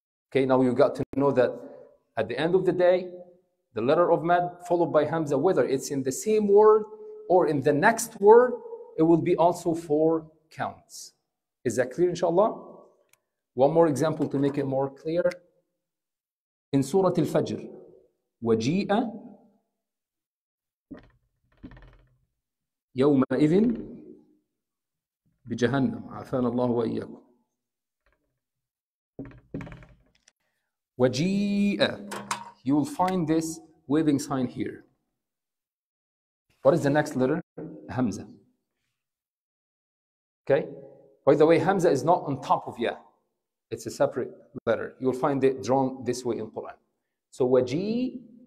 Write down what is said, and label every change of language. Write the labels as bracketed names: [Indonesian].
[English] Okay, now you got to know that at the end of the day, the letter of Mad followed by Hamza, whether it's in the same word or in the next word, it will be also four counts. Is that clear, inshallah? One more example to make it more clear. [Arabic] In Surah Al-Fajr, وَجِيءَ يَوْمَئِذٍ بجهنم عافانا الله وإياكم وجيء. [English] You will find this waving sign here. What is the next letter? همزة. Okay. By the way, همزة is not on top of ya. It's a separate letter. You will find it drawn this way in Quran. So وجيء.